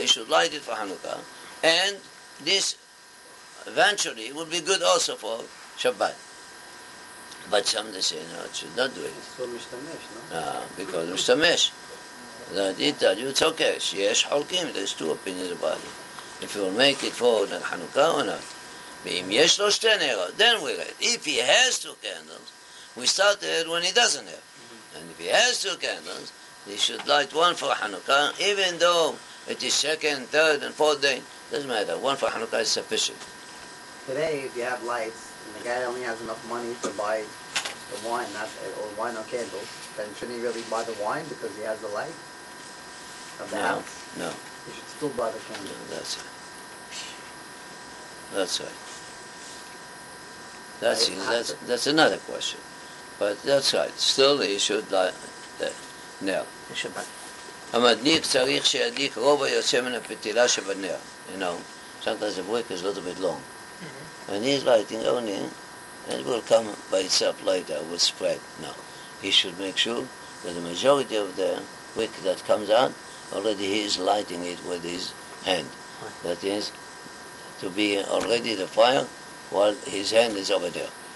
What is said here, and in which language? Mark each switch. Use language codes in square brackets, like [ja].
[en] You should light it for Hanukkah. And this eventually would be good also for Shabbat. But some they say, no, it should not do it. It's for Mishtamesh, no? Because Mishtamesh. That he tells you, it's okay. Yes, Holkim, there's two opinions about it. If you will make it for Ner Hanukkah or not. [he] ואם יש לו שתי נרות, [en] then we read. If he has two candles, we start it when he doesn't have. And if he has two candles, he should light one for Hanukkah, even though it is second, third, and fourth day. Doesn't matter. One for Hanukkah is sufficient. Today, if you have lights, and the guy only has enough money to buy the wine, not, or wine or candles, then shouldn't he really buy the wine because he has the light of the house? No. He should still buy the candles. No, that's right. That's right. That's another question. But that's right. Still, he should light the ner. [he] המדליק צריך שידליק רוב היוצא מן הפתילה שבנר. [en] You know, sometimes the break is a little bit long. And he's lighting only, it will come by itself later, it will spread. No. He should make sure that the majority of the wick that comes out, already he is lighting it with his hand. That is, to be already the fire, while his hand is over there.